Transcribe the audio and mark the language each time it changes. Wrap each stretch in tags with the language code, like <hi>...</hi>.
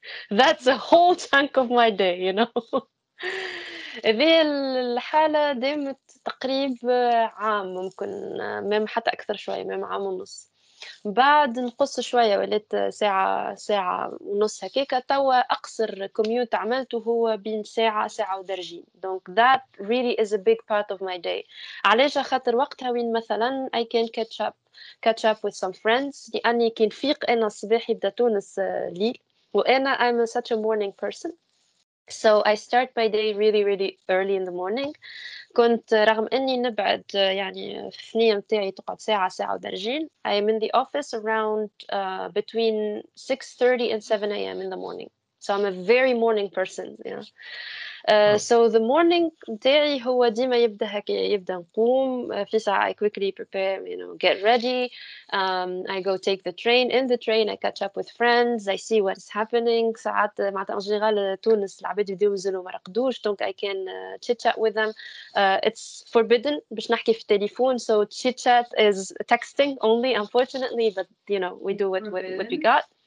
<en>That's a whole chunk of my day, you know.</en> <ar>هذه الحالة دامت تقريب عام، ممكن مام حتى أكثر شوية، مام عام ونص. بعد نقص شوية وليت ساعة ونص هكيكة، توا أقصر كوميوت عملته هو بين ساعة ودرجين.</ar> <fr>Donc</fr> <en>that really is a big part of my day.</en> <ar>علاش؟ خاطر وقتها وين مثلا</ar> <en>I can catch up with some friends،</en> <ar>لأني كي نفيق أنا الصباح يبدأ تونس ليل، وأنا</ar> <en>I'm such a morning person. So I start my day really really early in the morning.</en> <ar>كنت رغم أني نبعد يعني ثنية متاعي تقعد ساعة ودرجين،</ar> <en>I am in the office around between 6:30 and 7 a.m. in the morning. So I'm a very morning person. Yeah. So the morning متاعي</en> <ar>هو ديما يبدأ هكي، يبدأ نقوم في ساعة</ar> <en>I quickly prepare, you know, get ready. I go take the train. In the train I catch up with friends. I see what's happening.</en> <ar>ساعات معناتها ان جينيرال تونس العباد يبداو ينزلوا ما رقدوش، دونك</ar> <en>I can chit-chat with them. It's forbidden</en> <ar>باش نحكي في التليفون.</ar> <en>So chit-chat is texting only unfortunately, but you know, we do what we got.</en>